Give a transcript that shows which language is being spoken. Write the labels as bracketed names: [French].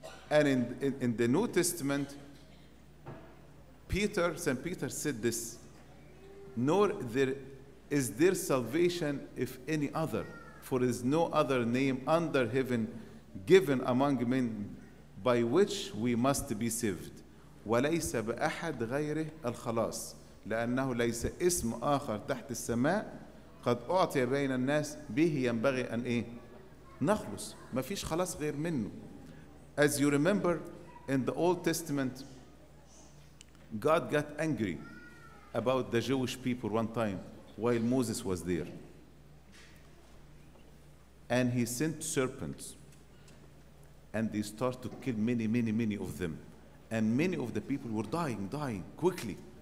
[English] And in the New Testament, Peter, Saint Peter said this, nor there is there salvation if any other, for there is no other name under heaven given among men by which we must be saved. [Arabic] وليس بأحد غيره الخلاص. لأنه ليس اسم آخر تحت السماء قد أعطي بين الناس به ينبغي أن إيه؟ نخلص. ما فيش خلاص غير منه. [English] As you remember, in the Old Testament, God got angry about the Jewish people one time while Moses was there. And he sent serpents. And they started to kill many of them. And many of the people were dying quickly.